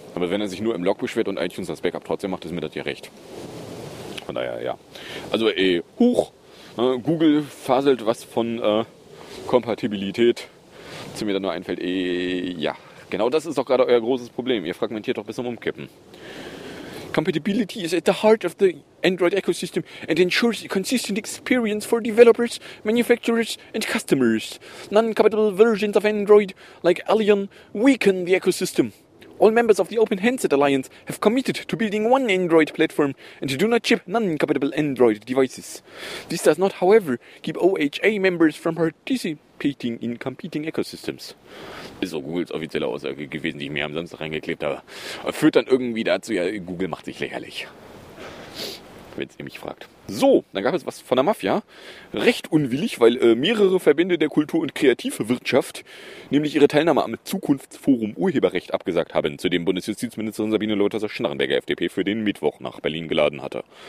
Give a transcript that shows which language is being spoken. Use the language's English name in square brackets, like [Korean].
[German] Aber wenn er sich nur im Log beschwert und iTunes das Backup trotzdem macht, ist mir das ja recht. Von daher, ja. Also, hoch. Google faselt was von Kompatibilität. Zu mir dann nur einfällt, ja. Genau das ist doch gerade euer großes Problem. Ihr fragmentiert doch bis zum Umkippen. [English] Compatibility is at the heart of the Android ecosystem and ensures a consistent experience for developers, manufacturers and customers. Non-compatible versions of Android like Alien weaken the ecosystem. All members of the Open Handset Alliance have committed to building one Android platform and do not ship non-compatible Android devices. This does not, however, keep OHA members from participating in competing ecosystems. [German] Ist so Googles offizielle Aussage gewesen, die ich mir am Samstag reingeklebt habe. Führt dann irgendwie dazu, ja, Google macht sich lächerlich. Wenn ihr mich fragt. So, dann gab es was von der Mafia. Recht unwillig, weil mehrere Verbände der Kultur- und Kreativwirtschaft nämlich ihre Teilnahme am Zukunftsforum Urheberrecht abgesagt haben, zu dem Bundesjustizministerin Sabine Leutheusser-Schnarrenberger FDP für den Mittwoch nach Berlin geladen hatte.